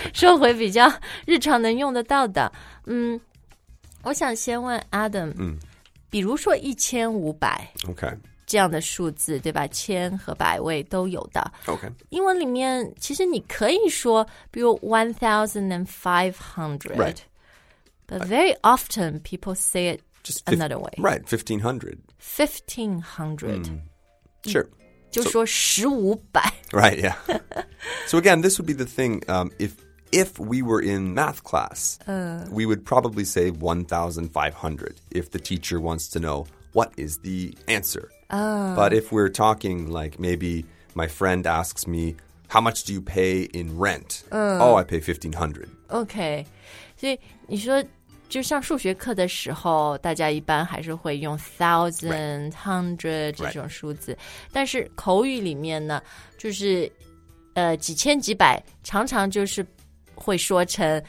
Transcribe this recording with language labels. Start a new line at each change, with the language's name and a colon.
Chinese: 说回比较日常能用得到的。我想先问 Adam、比如说1500
English: OK
Chinese: 这样的数字对吧千和百位都有的
English: OK
Chinese: 英文里面其实你可以说比如 1500
English: Right But very often people say it just another way Right 1500 1500、 Sure
Chinese: 就说1500
English: Right yeah So again this would be the thing、If we were in math class,、we would probably say 1,500 if the teacher wants to know what is the answer.、But if we're talking like maybe my friend asks me, how much do you pay in rent?、I pay 1,500. Okay.
Chinese: 所以你说就上数学课的时候大家一般还是会用 1,000,
English: right.
Chinese: 100 这种数字、
English: right.
Chinese: 但是口语里面呢就是、几千几百常常就是会说成